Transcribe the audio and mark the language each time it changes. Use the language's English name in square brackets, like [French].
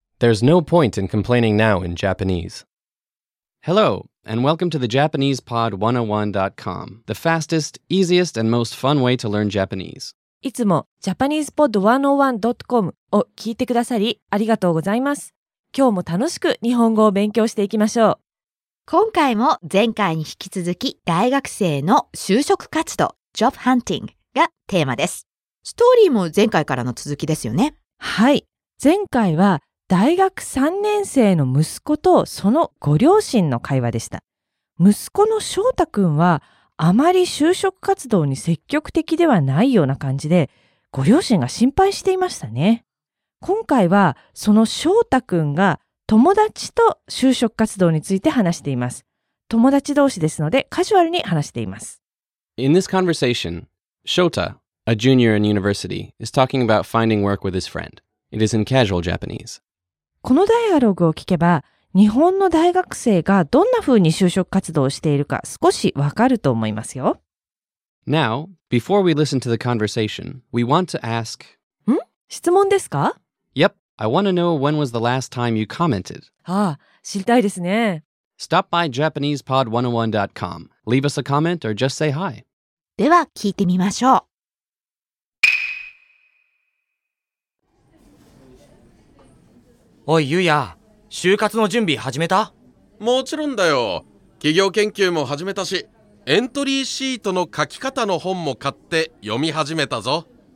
[English] There's no point in complaining now in Japanese. Hello, and welcome to the JapanesePod101.com, the fastest, easiest, and most fun way to learn Japanese. [Japanese] いつも JapanesePod101.com を聞いてくださりありがとうございます。今日も楽しく日本語を勉強していきましょう。今回も前回に引き続き大学生の就職活動ジョブハンティングがテーマです。ストーリーも前回からの続きですよね。はい。前回は大学3年生の息子とそのご両親の会話でした。息子の翔太くんはあまり就職活動に積極的ではないような感じで、ご両親が心配していましたね。今回はその翔太くんが友達と就職活動について話しています。友達同士ですのでカジュアルに話しています。 [English] In this conversation, Shota, a junior in university, is talking about finding work with his friend. It is in casual Japanese. [Japanese] このダイアログを聞けば、日本の大学生がどんな風に就職活動をしているか少しわかると思いますよ。 [English] Now, before we listen to the conversation, we want to ask... [Japanese] ん?質問ですか? [English] Yep, I want to know when was the last time you commented. [Japanese] ああ、知りたいですね。 [English] Stop by JapanesePod101.com. Leave us a comment or just say hi. [Japanese] では聞いてみましょう。おい、ゆうや、就活の準備始めた? もちろんだよ。企業研究も始めたし、エントリーシートの書き方の本も買って読み始めたぞ。